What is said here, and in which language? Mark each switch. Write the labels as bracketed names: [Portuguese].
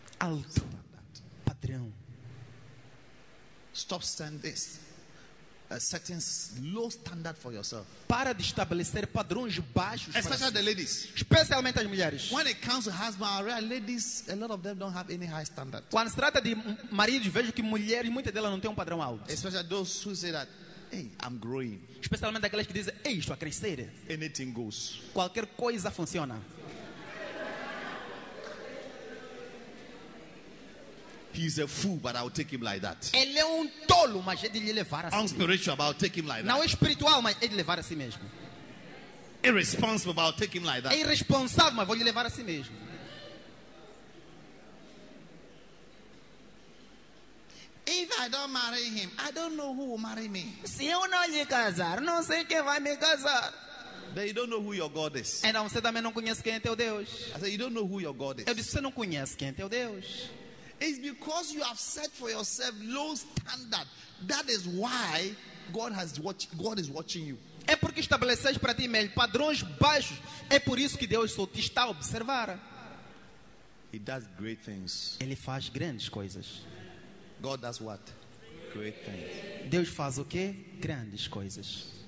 [Portuguese] Alto. Standard. Padrão. [English] Stop saying this. A certain low standard for yourself. [Portuguese] Para de estabelecer padrões baixos. [English] Especially [Portuguese] para [English] the ladies. [Portuguese] Especialmente as mulheres. [English] When it comes to husband, I realize ladies, a lot of them don't have any high standard. [Portuguese] Quando se trata de maridos, vejo que mulheres, muitas delas não têm padrão alto. [English] Especially those who say that, hey, I'm growing. [Portuguese] Especialmente aquelas que dizem, ei, estou a crescer. [English] Anything goes. [Portuguese] Qualquer coisa funciona. [English] He's a fool, but I'll take him like that. [Portuguese] Ele é tolo, mas eu lhe levar assim. [English] Unspiritual, but I'll take him like [Portuguese] não Não é espiritual, mas eu lhe levar assim mesmo. [English] Irresponsible, but I'll take him like that. [Portuguese] É irresponsável, mas vou lhe levar assim mesmo. [English] If I don't marry him, I don't know who will marry me. [Portuguese] Se eu não lhe casar, não sei quem vai me casar. [English] Then you don't know who your God is. [Portuguese] Então você também não conhece quem é teu Deus. [English] I said you don't know who your God is. [Portuguese] Eu disse você não conhece quem é teu Deus. [English] It's because you have set for yourself low standard. That is why God is watching you. [Portuguese] É porque estabeleces para ti mesmo padrões baixos. É por isso que Deus só te está a observar. [English] He does great things. [Portuguese] Ele faz grandes coisas. [English] God does what? Great things. [Portuguese] Deus faz o quê? Grandes coisas.